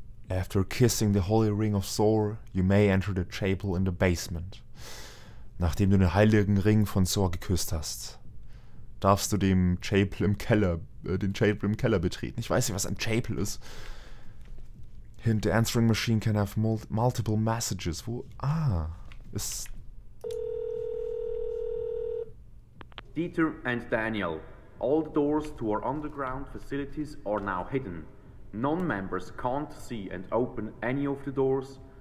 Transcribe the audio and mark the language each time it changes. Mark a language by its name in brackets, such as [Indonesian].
[English] After kissing the holy ring of Thor, you may enter the chapel in the basement. [German] Nachdem du den heiligen Ring von Thor geküsst hast, darfst du den Chapel im Keller betreten. Ich weiß nicht, was ein Chapel ist. [English] Hint, the answering machine can have multiple messages. [German] Wo? Ist... [English] Dieter and Daniel, all the doors to our underground facilities are now hidden. Non-members can't see and open any of the doors.